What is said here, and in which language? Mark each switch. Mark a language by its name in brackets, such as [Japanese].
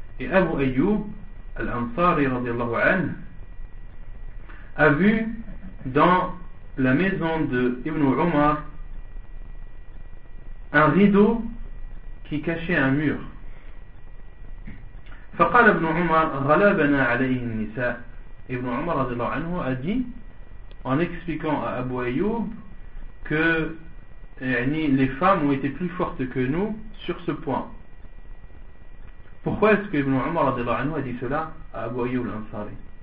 [French] Et Abu Ayyub al-Ansari, radiyallahu anhu, a vu dans la maison de Ibn Umar un rideau qui cachait un mur. [Arabic] فقال ابن عمر غلبنا عليه النساء. [French] Ibn Umar radiallahu anhu a dit, en expliquant à Abu Ayyub, que les femmes ont été plus fortes que nous sur ce point. Pourquoi est-ce que Ibn Umar radiallahu anhu a dit cela à Abu Ayyub al-Ansari?